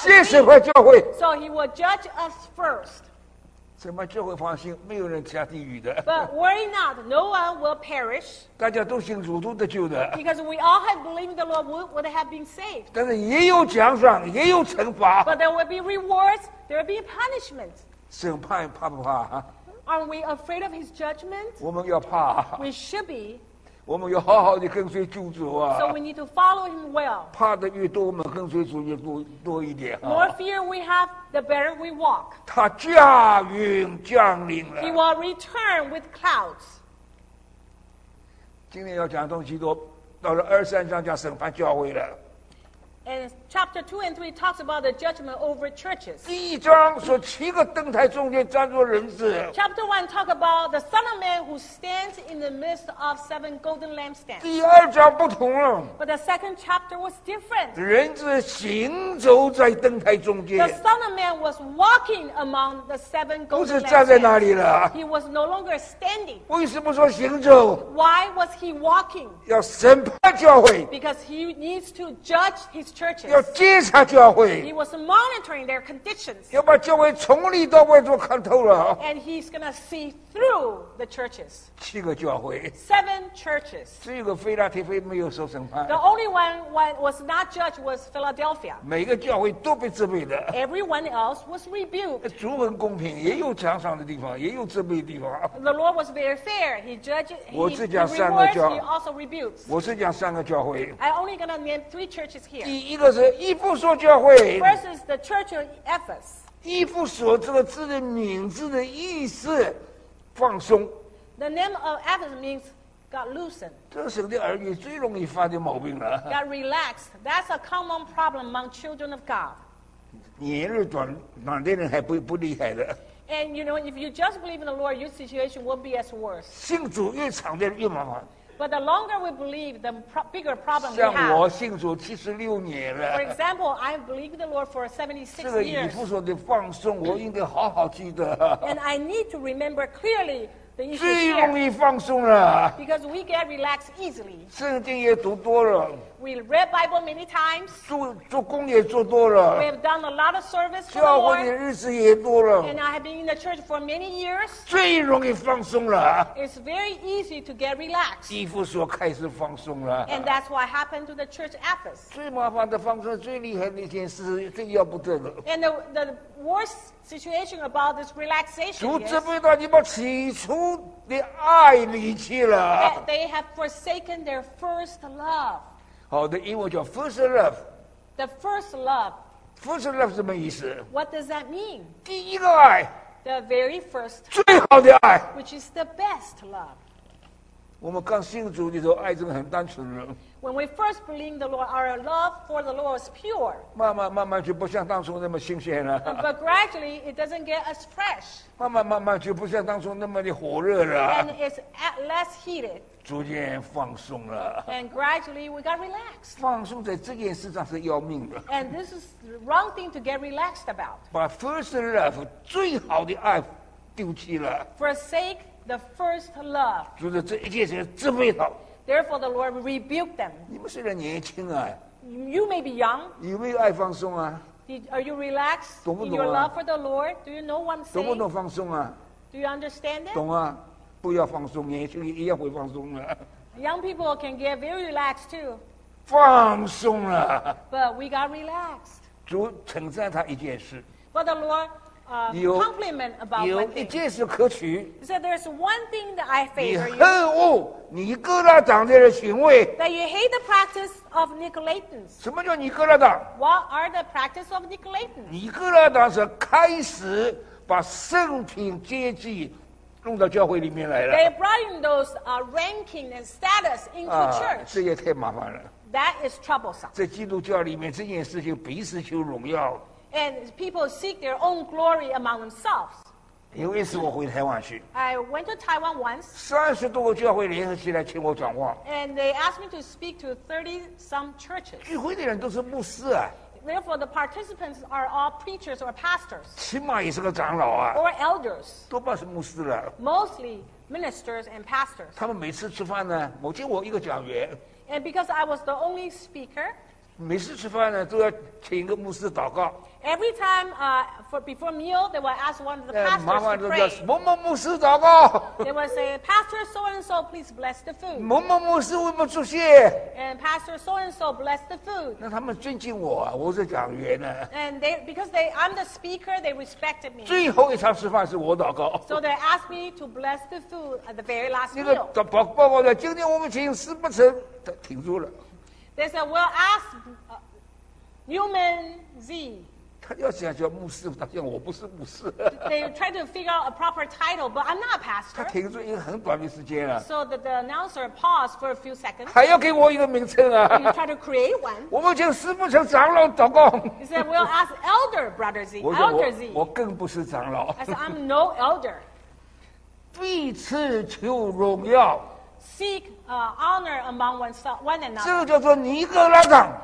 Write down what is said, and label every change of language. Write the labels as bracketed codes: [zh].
[zh] 先审判教会。 [en] So he will judge us first. [zh] 审判教会放心，没有人下地狱的。 [en] But worry not, no one will perish. [zh] 大家都信主，都得救的。 [en] Because we all have believed the Lord would have been saved. [zh] 但是也有奖赏，也有惩罚。 [en] But there will be rewards, there will be punishments. [zh] 审判怕不怕 [en] Aren't we afraid of his judgment? [zh] 我们要怕 [en] We should be [zh] 我们要好好地跟随救主啊 [en] So we need to follow him well [zh] 怕得越多我们跟随主越多一点 [en] More fear we have the better we walk [zh] 他驾云降临了 [en] He will return with clouds [zh] 今天要讲东西都到了二三章讲审判教会了 [en] And chapter 2 and 3 talks about the judgment over churches. [zh] 第一章说七个灯台中间站着人子。 [en] Chapter 1 talks about the Son of Man who stands in the midst of seven golden lampstands. [zh] 第二章不同了。 [en] But the second chapter was different. [zh] 人子行走在灯台中间。 [en] The Son of Man was walking among the seven golden lampstands. [zh] 不是站在那里了。 [en] He was no longer standing. [zh] 为什么说行走? [en] Why was he walking? [zh] 要审判教会。 [en] Because he needs to judge his Churches. [zh] 要监察教会。 [en] He was monitoring their conditions. [zh] 要把教会从里到外都看透了。 [en] And he's gonna see through the churches. [zh] 七个教会。 [en] Seven churches. [zh] 只有个腓立提腓没有受审判。 [en] The only one that was not judged was Philadelphia. [zh] 每个教会都被责备的。 [en] Everyone else was rebuked. [zh] 主很公平，也有奖赏的地方，也有责备的地方。 [en] The Lord was very fair. He judged. [zh] 我只讲三个教。 [en] He also rebukes. [zh] 我只讲三个教会。 [en] I'm only gonna name three churches here. [zh] 第一个是以弗所教会 [en] versus the church of Ephesus [zh] 以弗所这个字的名字的意思放松 [en] the name of Ephesus means got loosened [zh] 这是神的儿女最容易犯的毛病了 [en] got relaxed that's a common problem among children of God [zh] 年日短短的人还 不厉害的 [en] and you know if you just believe in the Lord your situation will be as worse [zh] 信主越长的人越麻烦 [en] But the longer we believe, the bigger problem we [zh] have. 像我信主七十六年了。 [en] For example, I believed the Lord for 76 years. [zh] 这个以弗所的放松，我应该好好记得。 [en] And I need to remember clearly [zh] 最容易放松了。 [en] Because we get relaxed easily. [zh] 圣经也读多了。 [en] We read Bible many times. [zh] 做工也做多了。 [en] We have done a lot of service for the Lord. [zh] 教会的日子也多了。 [en] And I have been in the church for many years. [zh] 最容易放松了。 [en] It's very easy to get relaxed. [zh] 以弗所开始放松了。 [en] And that's what happened to the church Ephesus. [zh] 最麻烦的放松，最厉害的一件事，最要不得的。 [en] And the worst situation about this relaxation. [zh] 主这辈子你把起初的爱离弃了。 [en] They have forsaken their first love. [zh] 好的，英文叫 first love. [en] The first love. [zh] First love 什么意思？ [en] What does that mean? [zh] 第一个爱。 [en] The very first. [zh] 最好的爱。 [en] Which is the best love. [zh] 我们刚信主的时候，爱真的很单纯了。 [en] When we first believe in the Lord, our love for the Lord is pure. [zh] 慢慢就不像当初那么新鲜了。 [en] But gradually, it doesn't get as fresh. [zh] 慢慢就不像当初那么的火热了。 [en] And it's less heated. [zh] 逐渐放松了。 [en] And gradually, we got relaxed. [zh] 放松在这件事上是要命的。 [en] And this is the wrong thing to get relaxed about. [zh] 把 first love, 最好的爱丢弃了。 [en] Forsake the first love. [zh] 就是这一件事这么好。 [en] Therefore, the Lord rebuked them. [zh] 你们虽然年轻啊， [en] you may be young. [zh] 你有没有爱放松啊？ [en] Are you relaxed? [zh] 懂不懂啊？ [en] In your love for the Lord, do you know what I'm saying? [zh] 懂不懂放松啊？ [en] Do you understand it? [zh] 懂啊，不要放松，年轻一样会放松的。 [en] Young people can get very relaxed too. [zh] 放松了。 [en] But we got relaxed. [zh] 主称赞他一件事。 [en] But the Lord. Compliment about my faith. [zh] 有一件事可取。 [en] So there's one thing that I favor you. [zh] 你恨恶尼哥拉党的行为。 [en] That you hate the practice of Nicolaitans. [zh] 什么叫尼哥拉党？ [en] What are the practice of Nicolaitans? [zh] 尼哥拉党是开始把圣品阶级弄到教会里面来了。 [en] They brought in those ranking and status into church. [zh] 这也太麻烦了。 [en] That is troublesome. [zh] 在基督教里面，这件事情彼此求荣耀。 [en] And people seek their own glory among themselves. [zh] 有一次我回台湾去。 [en] I went to Taiwan once. [zh] 30多个教会联合起来请我讲话。 [en] And they asked me to speak to 30 some churches. [zh] 聚会的人都是牧师啊。 [en] Therefore, the participants are all preachers or pastors. [zh] 起码也是个长老啊。 [en] Or elders. [zh] 多半是牧师了。 [en] Mostly ministers and pastors. [zh] 他们每次吃饭呢，我就我一个讲员。 [en] And because I was the only speaker. [zh] 每次吃饭呢，都要请一个牧师祷告。 [en] Every time, before meal, they will ask one of the pastors to pray. [zh] 麻烦都叫某某牧师祷告。 [en] They will say, Pastor so and so, please bless the food. [zh] 某某牧师为我们祝谢。 [en] And Pastor so and so, bless the food. [zh] 那他们尊敬我啊，我是讲员呢。 [en] And they, because they, I'm the speaker, they respected me. [zh] 最后一场吃饭是我祷告。 [en] So they asked me to bless the food at the very last meal. [zh] 那个报告的，今天我们请师不成，他停住了。 [en] They said, we'll ask Newman Z. [zh] 他要想叫牧师，他讲我不是牧师。 [en] They tried to figure out a proper title, but I'm not a pastor. [zh] 他停住一个很短的时间啊。 [en] So the announcer paused for a few seconds. [zh] 还要给我一个名称啊。 [en] He tried to create one. [zh] 我们请师父成长老祷告。 [en] He said, "We'll ask Elder Brother Z." Elder Z. [zh] 我更不是长老。 [en] I said, "I'm no elder." [zh] 彼此求荣耀。 [en] Seek honor among oneself, one another. [zh] 这个叫做尼哥拉党。